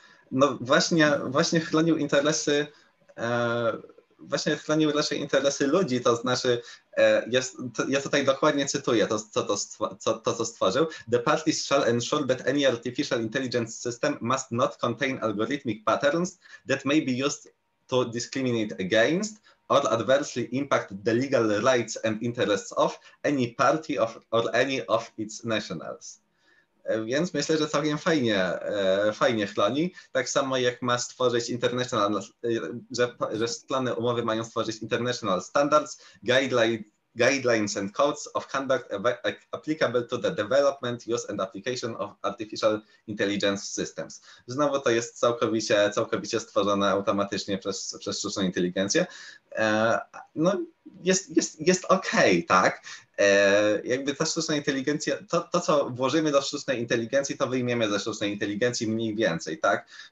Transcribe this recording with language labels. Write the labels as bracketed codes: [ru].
[pl] No właśnie chronił interesy. Właśnie chronił raczej interesy ludzi, to znaczy, ja tutaj dokładnie cytuję co stworzył. [en] The parties shall ensure that any artificial intelligence system must not contain algorithmic patterns that may be used to discriminate against or adversely impact the legal rights and interests of any party of, or any of its nationals. [pl] Więc myślę, że całkiem fajnie chroni. Tak samo jak ma stworzyć international, że strony umowy mają stworzyć [en] international standards, guidelines, guidelines and codes of conduct applicable to the development, use and application of artificial intelligence systems. [pl] Znowu to jest całkowicie stworzone automatycznie przez sztuczną inteligencję. No jest okej, tak? Jakby ta sztuczna inteligencja, to co włożymy do sztucznej inteligencji, to wyjmiemy ze sztucznej inteligencji mniej więcej, tak?